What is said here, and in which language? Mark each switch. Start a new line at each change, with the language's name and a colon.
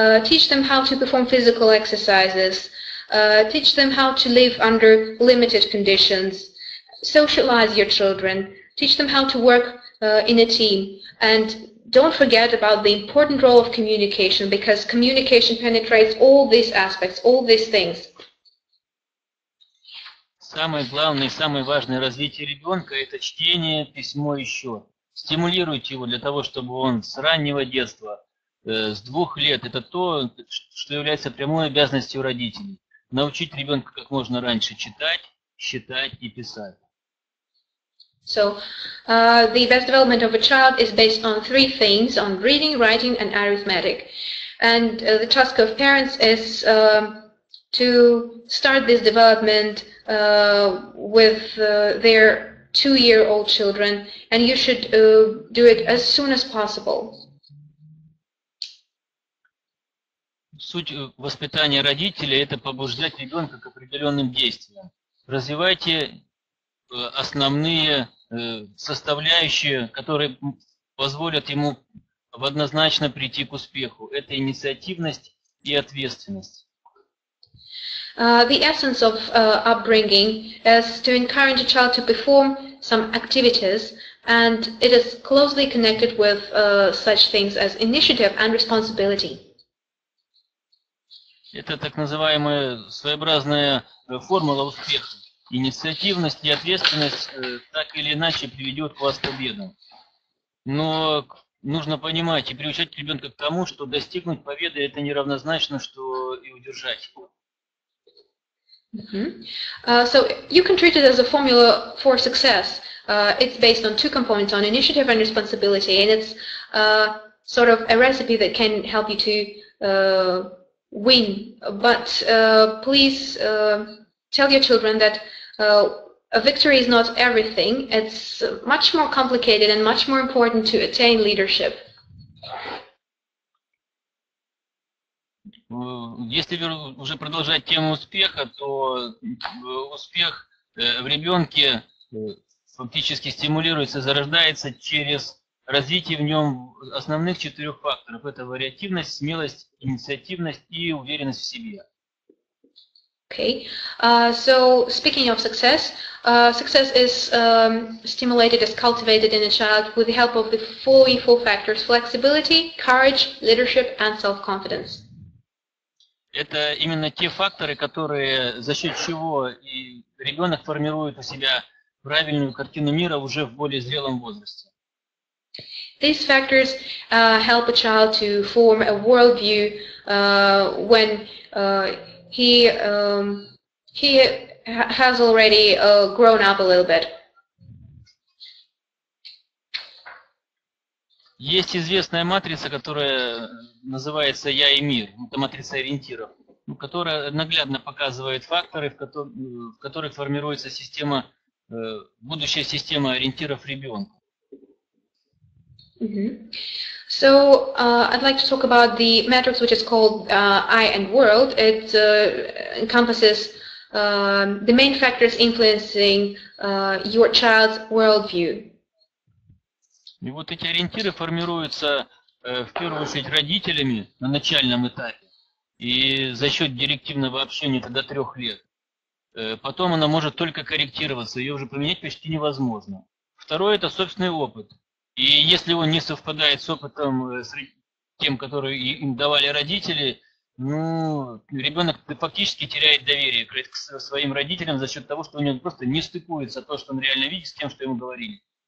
English: Teach them how to perform physical exercises. Teach them how to live under limited conditions. Socialize your children. Teach them how to work in a team. And don't forget about the important role of communication, because communication penetrates all these aspects, all these things.
Russian: Самое главное и самое важное развитие ребенка – это чтение, письмо и счет. Стимулируйте его для того, чтобы он с раннего детства, с двух лет – это то, что является прямой обязанностью родителей. Научить ребенка как можно раньше читать, считать и писать.
English: So, the best development of a child is based on three things: on reading, writing, and arithmetic. And the task of parents is to start this development with their two-year-old children, and you should do it as soon as possible.
Russian: Суть воспитания родителя – это побуждать ребенка к определенным действиям. Развивайте основные составляющие, которые позволят ему однозначно прийти к успеху. Это инициативность и ответственность.
English: The essence of upbringing is to encourage a child to perform some activities And it is closely connected with such things as initiative and responsibility.
Russian: Это так называемая своеобразная формула успеха. Инициативность и ответственность так или иначе приведет вас к победе. Но нужно понимать и приучать ребенка к тому, что достигнуть победы это неравнозначно, что и удержать.
English: So you can treat it as a formula for success. It's based on two components, on initiative and responsibility, and it's sort of a recipe that can help you to win. But please tell your children that a victory is not everything. It's much more complicated and much more important to attain leadership.
Russian: Если уже продолжать тему успеха, то успех в ребенке фактически стимулируется, зарождается через развитие в нем основных четырех факторов. Это вариативность, смелость, инициативность и уверенность в себе. Okay.
English: So speaking of success, success is stimulated, is cultivated in a child with the help of the four factors: flexibility, courage, leadership and self-confidence.
Russian: Это именно те факторы, которые за счет чего и ребенок формирует у себя правильную картину мира уже в более зрелом возрасте.
English: These factors help a child to form a worldview when he has already grown up a little bit.
Russian: Есть известная матрица, которая называется «Я и мир», это матрица ориентиров, которая наглядно показывает факторы, в которых формируется система, будущая система ориентиров ребенка.
English: So, I'd like to talk about the matrix, which is called I and World. It encompasses the main factors influencing your child's worldview.
Russian: И вот эти ориентиры формируются в первую очередь родителями на начальном этапе и за счет директивного общения до 3 лет. Потом она может только корректироваться, ее уже поменять почти невозможно. Второе – это собственный опыт. И если он не совпадает с опытом, с тем, который им давали родители, ну, ребенок фактически теряет доверие к своим родителям за счет того, что у него просто не стыкуется то, что он реально видит, с тем, что ему говорили.